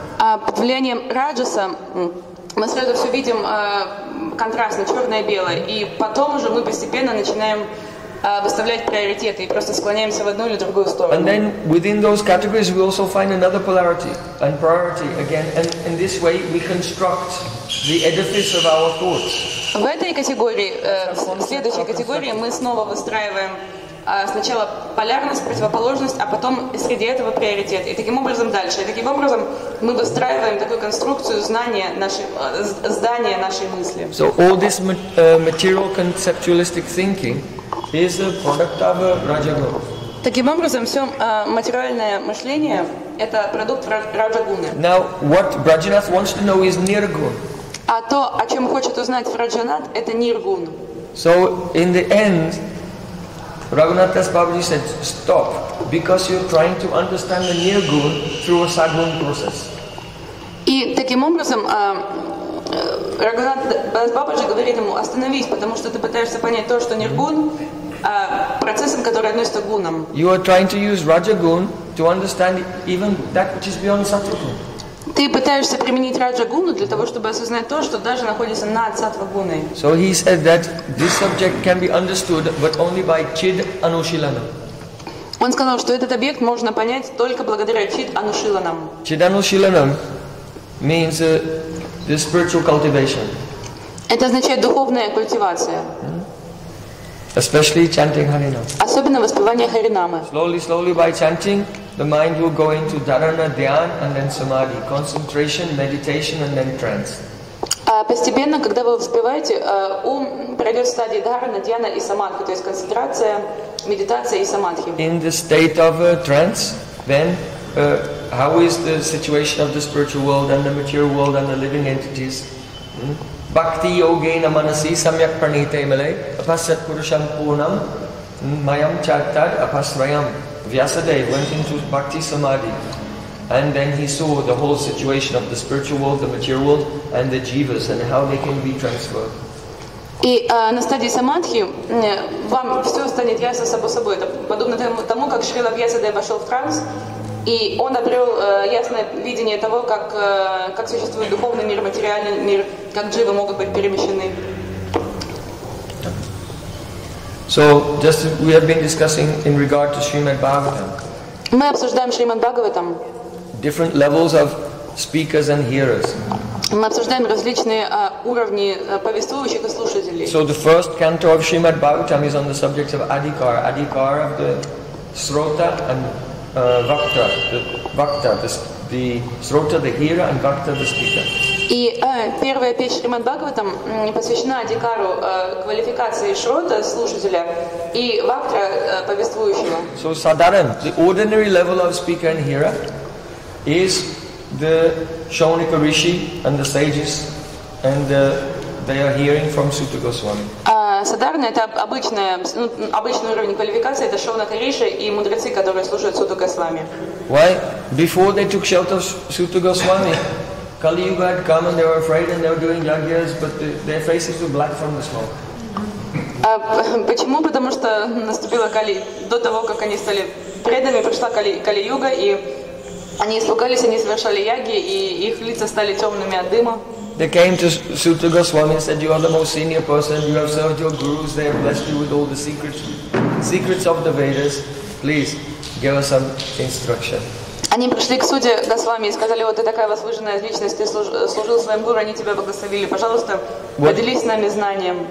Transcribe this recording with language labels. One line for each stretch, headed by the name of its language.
Russian: Под влиянием Раджаса мы сразу все видим контрастно, черное и белое, и потом уже мы постепенно начинаем выставлять приоритеты и просто склоняемся в одну или другую сторону.
English: And then within those categories we also find another polarity and priority again, and in this way we construct the edifice of our thoughts.
Russian: В этой категории, в следующей категории мы снова выстраиваем сначала полярность, противоположность, а потом среди этого приоритет. И таким образом дальше. И таким образом мы выстраиваем такую конструкцию знания, здания нашей мысли.
English: So all this material conceptualistic thinking is a product of Rajaguna.
Russian: Таким образом, все материальное мышление – это продукт раджа-гуны.
English: Now, what Prajnanath wants to know is nirgun.
Russian: А то, о чем хочет узнать Раджанат, это Ниргун.
English: So, in the end, Raghunath Das Babaji said, stop, because you're trying to understand the Nirgun through a Sadhguru process.
Russian: И таким образом, Raghunath Das Babaji говорит ему, остановись, потому что ты пытаешься понять то, что Ниргун, процессом, который относится к Гунам.
English: You are trying to use Rajagun to understand even that which is beyond Sattva-gun.
Russian: Ты пытаешься применить раджа-гуну для того, чтобы осознать то, что даже находится над сатва-гуной.
English: So he said that this subject can be understood, but only by chid anushilana.
Russian: Он сказал, что этот объект можно понять только благодаря чид анушиланам.
English: Чид анушиланам means the spiritual cultivation.
Russian: Это означает духовная культивация.
English: Especially chanting Харинам.
Russian: Особенно воспевание Харинамы.
English: Slowly, slowly by chanting, the mind will go into dharana, dhyan, and then samadhi, concentration, meditation, and then trance.
Russian: Постепенно, когда вы воспеваете, ум пройдет стадии дхарана, дьяна и самадхи, то есть концентрация, медитация и самадхи.
English: In the state of trance, then how is the situation of the spiritual world and the material world and the living entities?
Sanskrit: Bhakti yogena manasi samyak pranita imale apasat purusham purnam mayam chattad apasrayam.
English: Vyasadeva went into bhakti samadhi and then he saw the whole situation of the spiritual world, the material world and the jivas and how they can be transferred.
Russian: И на стадии самадхи вам все станет ясно само собой. Это подобно тому, как Шрила Вьясадева вошел в транс, и он обрел ясное видение того, как существует духовный мир, материальный мир, как дживы могут быть перемещены.
English: So, just we have been discussing in regard to Srimad Bhagavatam.
Russian: Мы обсуждаем Шримад Бхагаватам.
English: Different levels of speakers and hearers.
Russian: Мы обсуждаем различные уровни повествующих и слушателей.
English: So the first canto of Srimad Bhagavatam is on the subject of Adhikara. Adhikara of the Srota and Vakta, the Srota, the hearer, and Vakta, the speaker.
Russian: И первая печь Шримад Бхагаватам посвящена Адикару, квалификации Шрота, слушателя, и Вактра, повествующего.
English: So, Sadharan, the ordinary level of speaker and hearer is the Shaunika Rishi and the sages, and they are hearing from Sutta Goswami.
Russian: Sadharan, это обычный уровень квалификации, это Шаунака Риши и мудрецы, которые слушают Сутта Госвами.
English: Why? Before they took shelter of Sutta Goswami, Kali Yuga had come and they were afraid and they were doing yagyas, but their faces were black from the smoke.
Russian: Почему? Потому что наступила Кали. До того, как они стали преданными, пришла Кали Юга, и они испугались, они совершали яги, и их лица стали темными от дыма.
English: They came to Sutta Goswami and said, you are the most senior person, you have served your gurus, they have blessed you with all the secrets of the Vedas. Please, give us some instruction.
Russian: Они пришли к Сутте Госвами и сказали, вот ты такая возвышенная личность, ты служил своим гуру, они тебя благословили. Пожалуйста, поделись с нами знанием.